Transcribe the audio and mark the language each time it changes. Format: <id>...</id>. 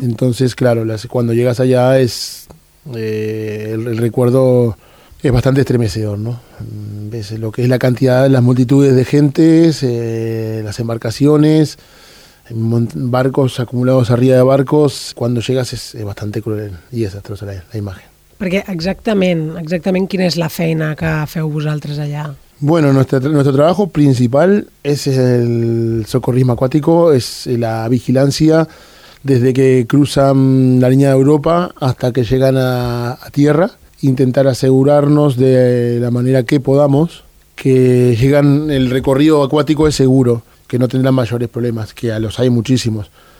<es>Entonces, claro, cuando llegas allá es el recuerdo. Es bastante estremecedor, ¿no? Ves lo que es la cantidad, las multitudes de gentes, las embarcaciones, barcos acumulados arriba de barcos. Cuando llegas es bastante cruel y desastrosa la imagen.</es> <ca>Perquè exactament quina és la feina que feu vosaltres allà?</ca> <es>Bueno, nuestro trabajo principal es el socorrismo acuático, es la vigilancia desde que cruzan la línea de Europa hasta que llegan a tierra. Intentar asegurarnos de la manera que podamos que llegan, el recorrido acuático es seguro, que no tendrán mayores problemas, que a los hay muchísimos.</es>